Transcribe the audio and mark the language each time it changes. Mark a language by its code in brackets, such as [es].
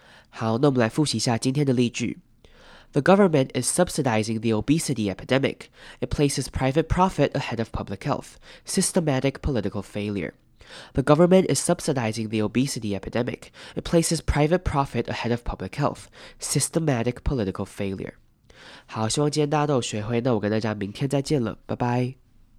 [zh] 好，那我们来复习一下今天的例句。 [en] The government is subsidizing the obesity epidemic. It places private profit ahead of public health. Systematic political failure. The government is subsidizing the obesity epidemic. It places private profit ahead of public health. Systematic political failure. [zh] 好，希望今天大家都有学会，那我跟大家明天再见了，拜拜。